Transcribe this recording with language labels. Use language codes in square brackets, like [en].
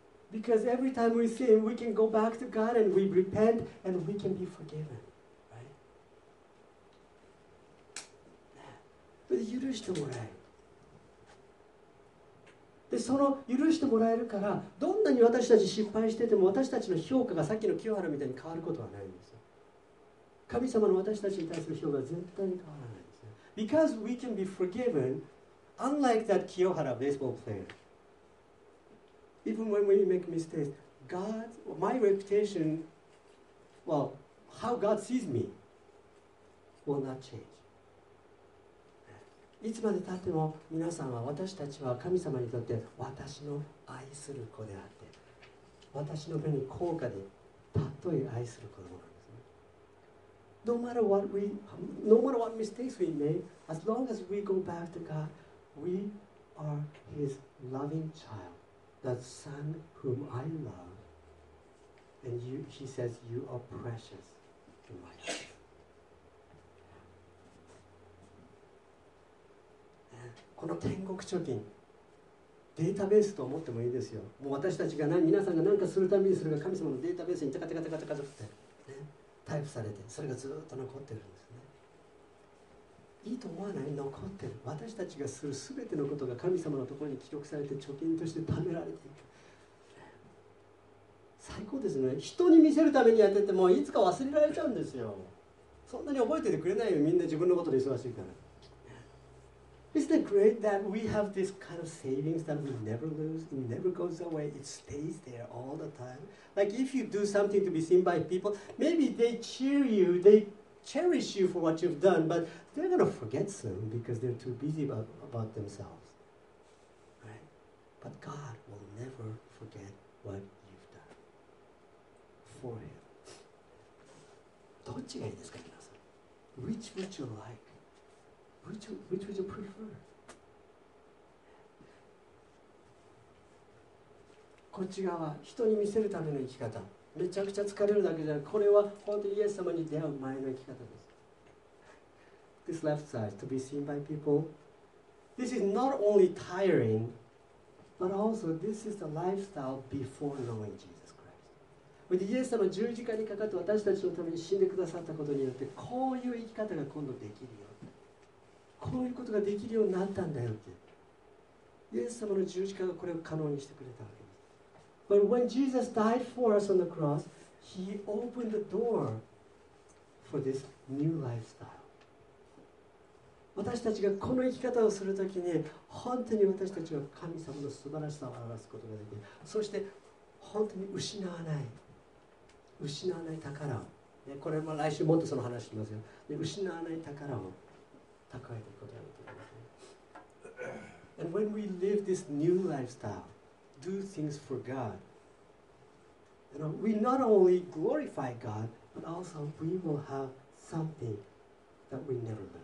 [en] Because every time we sin, we can go back to God and we repent and we can be forgiven, right? [ja] 許してもらえる。で、その許してもらえるから、どんなに私たち失敗してても私たちの評価がさっきの清原みたいに変わることはないんですよ。神様の私たちに対する評価は絶対に変わらないんですよ。 [en] Because we can be forgiven, unlike that 清原 baseball player. Even when we make mistakes, God, my reputation, well, how God sees me, will not change. [ja] いつまでたっても皆さんは私たちは神様にとって私の愛する子であって、私の目に高価でたっとえ愛する子供なんですね。 [en] No matter what we, no matter what mistakes we make, as long as we go back to God, we are His loving child. That son whom I love, and you, he says, you are precious in my life. [ja] この天国貯金、データベースと思ってもいいですよ。もう私たちが皆さんが何かするためにそれが神様のデータベースにタカタカタカタカタって、ね、タイプされて、それがずっと残ってるんですね。いいと思わない？残ってる。私たちがする全てのことが神様のところに記録されて貯金として貯められていく。最高ですね。人に見せるためにやっててもいつか忘れられちゃうんですよ。そんなに覚えててくれないよ。みんな自分のことで忙しいから。 [en] Isn't it great that we have this kind of savings that we never lose? It never goes away. It stays there all the time. Like if you do something to be seen by people, maybe they cheer you, theycherish you for what you've done, but they're going to forget soon because they're too busy about themselves. Right? But God will never forget what you've done for Him. [ja] どっちがいいですか、皆さん? [en] Which would you like? Which would you prefer? [ja] こっち側、人に見せるための生き方。めちゃくちゃ疲れるだけじゃない。これは本当にイエス様に出会う前の生き方です。 [en] This left side, to be seen by people. This is not only tiring, but also this is the lifestyle before knowing Jesus Christ. With [ja] イエス様十字架にかかって私たちのために死んでくださったことによって、こういう生き方が今度できるよ。こういうことができるようになったんだよって。イエス様の十字架がこれを可能にしてくれた。 [en] But when Jesus died for us on the cross, He opened the door for this new lifestyle. [ja] 私たちがこの生き方をするときに、本当に私たちは神様の素晴らしさを表すことができる。そして本当に失わない宝を、ね、これも来週もっとその話しますよ。で、失わない宝を蓄えていくことができる。 [en] And when we live this new lifestyle. Do things for God. You know, we not only glorify God, but also we will have something that we never lose.